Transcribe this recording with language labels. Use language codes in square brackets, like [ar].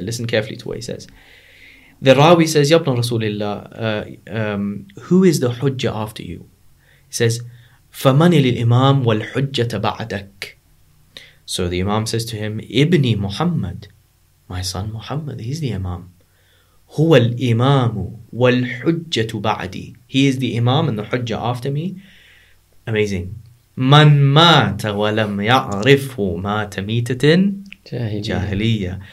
[en] Listen carefully to what he says. The Rawi says, [ar] Yabna Rasulillah, [en] who is the Hujjah after you? He says, [ar] فَمَنِ الْإِمَامِ وَالْحُجَّةَ بَعْدَكَ. [en] So the Imam says to him, [ar] Ibni Muhammad, [en] my son Muhammad, he's the Imam. [ar] هُوَ الْإِمَامُ وَالْحُجَّةُ بَعْدِي. [en] He is the Imam and the Hujjah after me. Amazing. [ar] مَنْ مَاتَ وَلَمْ يَعْرِفُ مَاتَ مِيتَةٍ جَاهِلِيَّةٍ.